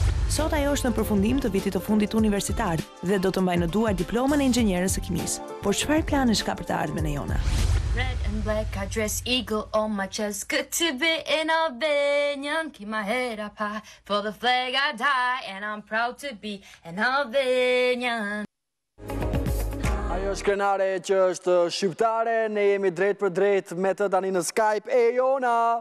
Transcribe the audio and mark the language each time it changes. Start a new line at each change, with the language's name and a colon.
Albanian: Sot ajo është në përfundim të vitit të fundit universitar dhe do të mbajë në duar diplomën e inxhinierës së kimisë. Por çfarë plane ka për të ardhmen e Jona?
English: Red and black I dress eagle on my chest, good to be in Albanian, keep my head up high for the flag I die and I'm proud to be an Albanian.
Albanian: Ajo është krenare që është shqiptare, ne jemi drejt për drejt me të tani në Skype e Jona.